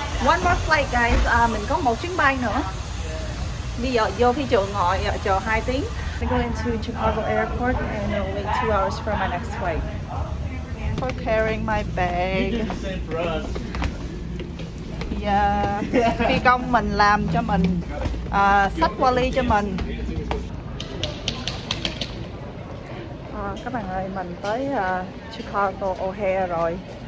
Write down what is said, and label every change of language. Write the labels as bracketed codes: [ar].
[en] One more flight guys, [vi] mình có một chuyến bay nữa. Bây giờ vô phi trường ngồi chờ 2 tiếng. [en] I'm going to Chicago airport and I'll wait 2 hours for my next flight. For carrying my bag. [vi] Yeah, phi công mình làm cho mình, xách vali cho mình. Các bạn ơi, mình tới Chicago O'Hare rồi.